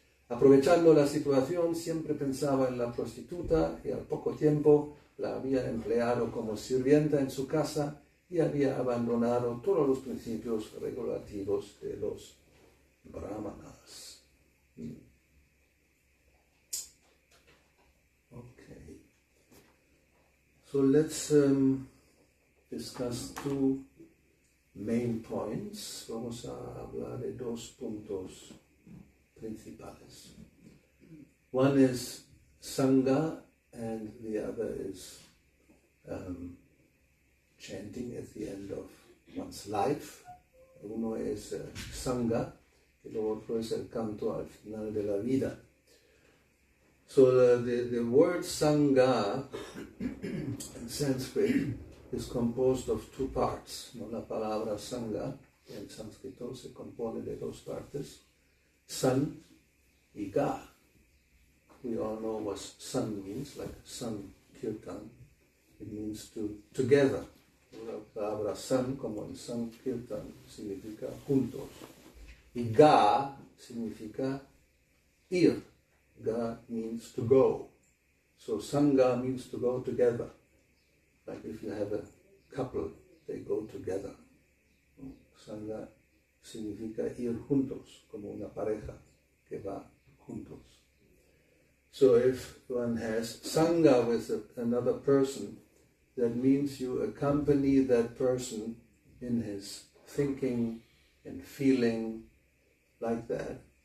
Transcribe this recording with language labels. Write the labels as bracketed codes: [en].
[es] Aprovechando la situación, siempre pensaba en la prostituta y al poco tiempo la había empleado como sirvienta en su casa y había abandonado todos los principios regulativos de los brahmanas. [en] Okay. So let's discuss two main points. [es] Vamos a hablar de dos puntos principales. [en] One is Sangha and the other is chanting at the end of one's life. [es] Uno es Sangha, el otro es el canto al final de la vida. [en] So the word Sangha in Sanskrit is composed of two parts. [es] ¿No? La palabra Sangha en sánscrito se compone de dos partes, San y Ga. [en] We all know what sun means, like sun kirtan. It means to together. [es] La palabra sun, como en sun kirtan, significa juntos. Y ga significa ir. [en] Ga means to go. So sangha means to go together. Like if you have a couple, they go together. [es] Sangha significa ir juntos, como una pareja que va juntos. [en] So if one has sangha with another person, that means you accompany that person in his thinking and feeling like that.